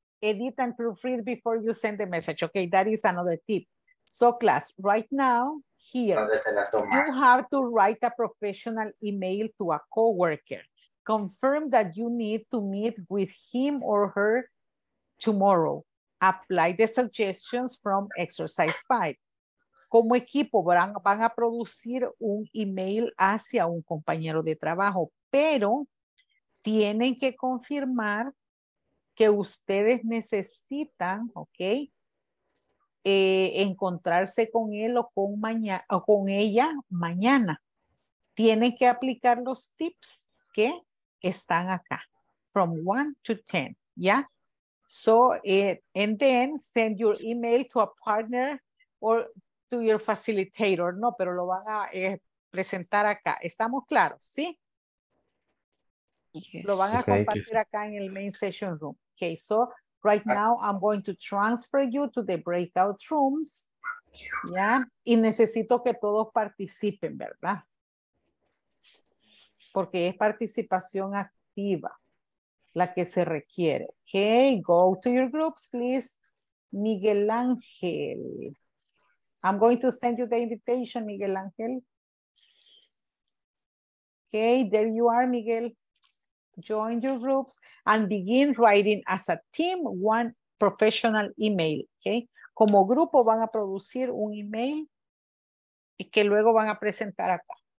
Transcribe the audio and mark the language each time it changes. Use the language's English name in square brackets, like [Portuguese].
[English] Edit and proofread before you send the message. Okay, that is another tip. So class, right now, here, you have to write a professional email to a coworker. Confirm that you need to meet with him or her tomorrow. Apply the suggestions from exercise 5. [Spanish] Como equipo, van a producir un email hacia un compañero de trabajo, pero tienen que confirmar que ustedes necesitan, ¿ok? Encontrarse con él o con ella mañana. Tienen que aplicar los tips que están acá. [English] From 1 to 10. Yeah. So, and then send your email to a partner or to your facilitator. [Spanish] No, pero lo van a presentar acá. ¿Estamos claros? ¿Sí? Yes. Lo van a compartir acá en el main session room. [English] Okay, so right now I'm going to transfer you to the breakout rooms. [Spanish] Ya, y necesito que todos participen, ¿verdad? Porque es participación activa la que se requiere. [English] Okay, go to your groups, please. Miguel Ángel. I'm going to send you the invitation, Miguel Ángel. Okay, there you are, Miguel. Join your groups and begin writing as a team one professional email. Okay. [Spanish] Como grupo van a producir un email y que luego van a presentar acá.